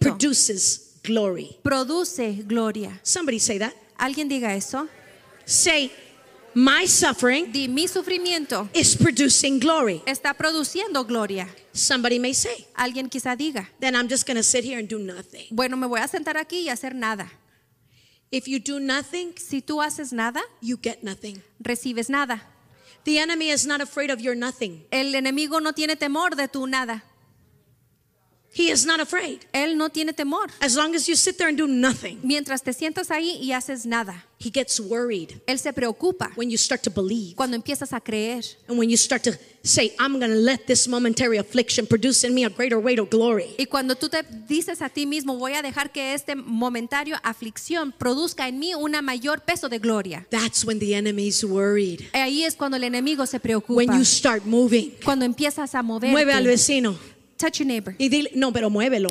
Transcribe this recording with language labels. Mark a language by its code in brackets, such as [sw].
[en] Produces glory. [es] Produce gloria. [en] Somebody say that. [es] Alguien diga eso. [en] Say. My suffering [es] de mi sufrimiento [en] is producing glory. [es] Está produciendo gloria. [en] Somebody may say. [es] Alguien quizá diga. [en] Then I'm just going to sit here and do nothing. [es] Bueno, me voy a sentar aquí y hacer nada. [en] If you do nothing, [es] si tú haces nada, [en] you get nothing. [es] Recibes nada. [en] The enemy is not afraid of your nothing. [es] El enemigo no tiene temor de tu nada. [en] He is not afraid. [es] Él no tiene temor. [en] As long as you sit there and do nothing. [es] Mientras te sientas ahí y haces nada. [en] He gets worried. [es] Él se preocupa. [en] When you start to believe. [es] Cuando empiezas a creer. [en] And when you start to say, I'm going to let this momentary affliction produce in me a greater weight of glory. [es] Y cuando tú te dices a ti mismo, voy a dejar que este momentario aflicción produzca en mí una mayor peso de gloria. [en] That's when the enemy is worried. [es] Ahí es cuando el enemigo se preocupa. [en] When you start moving. [es] Cuando empiezas a moverte. Mueve al vecino. [en] Touch your neighbor. [es] Y dile, no, pero muévelo.